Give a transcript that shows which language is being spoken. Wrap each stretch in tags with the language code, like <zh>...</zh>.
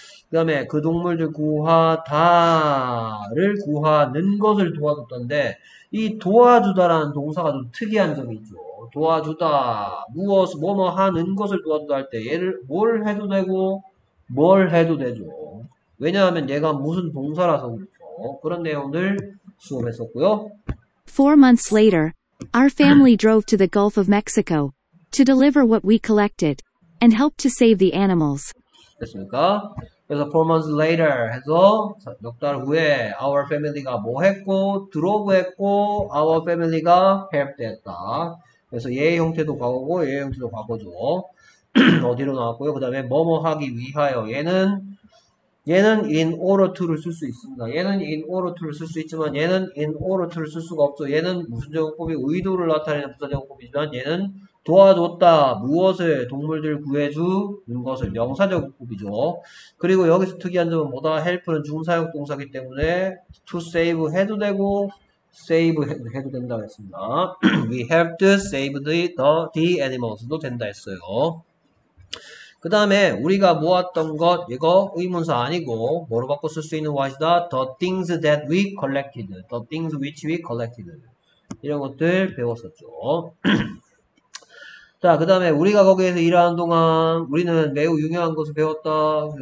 <ko>그다음에 그 동물들 구하다를 구하는 것을 도와줬던데 이 도와주다라는 동사가 좀 특이한 점이 있죠. 도와주다. 무엇, 뭐뭐 하는 것을 도와주다 할 때, 얘를 뭘 해도 되고, 뭘 해도 되죠. 왜냐하면 얘가 무슨 동사라서 그렇죠. 그런 내용들 수업했었고요.</ko> <en>4 months later, our family drove to the Gulf of Mexico to deliver what we collected and help to save the animals.</en> <ko>됐습니까? 그래서</ko> <en>4 months later</en> <ko>해서 몇달 후에</ko> <en>our family</en> <ko>가 뭐 했고, drove 했고, our family가 help 됐다. 그래서 얘의 형태도 과거고 얘의 형태도 과거죠. 어디로 나왔고요. 그다음에 뭐뭐 하기 위하여 얘는 in order to를 쓸수 있습니다. 얘는 in order to를 쓸수 있지만 얘는 in order to를 쓸 수가 없죠. 얘는 무슨 제공법이 의도를 나타내는 부사제공법이지만 얘는 도와줬다 무엇을 동물들 구해주는 것을 명사제공법이죠. 그리고 여기서 특이한 점은 뭐다? help는 중사역 동사기 때문에 to save 해도 되고 save 해도 된다 했습니다.</ko> <en>We have to save the animals</en> <ko>도 된다 했어요. 그 다음에 우리가 모았던 것 이거 의문사 아니고 뭐로 바꿔 쓸수 있는 것이다.</ko> <en>The things that we collected, the things which we collected</en> <ko>이런 것들 배웠었죠. 자, 그 다음에 우리가 거기에서 일하는 동안 우리는 매우 유용한 것을 배웠다.</ko>